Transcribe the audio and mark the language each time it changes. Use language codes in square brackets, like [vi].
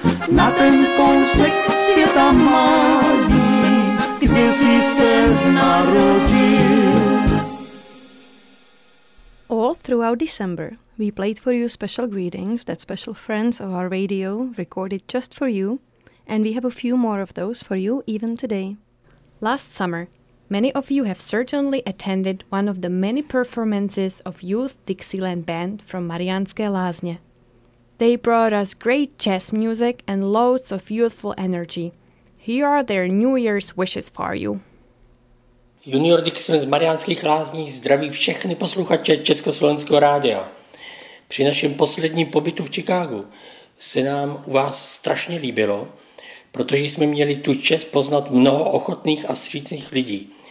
[cs] na ten kousek světa malý, kde jsi se narodil. [en] All throughout December, we played for you special greetings that special friends of our radio recorded just for you, and we have a few more of those for you even today. Last summer, many of you have certainly attended one of the many performances of Youth Dixieland Band from Mariánské Lázně. They brought us great jazz music and loads of youthful energy. Here are their New Year's wishes for you. [cs] Junior Dixieland z Mariánských Lázní zdraví všechny posluchače Československého rádia. Při našem posledním pobytu v Chicagu se nám u vás strašně líbilo, protože jsme měli tu čest poznat mnoho ochotných a vstřícných lidí.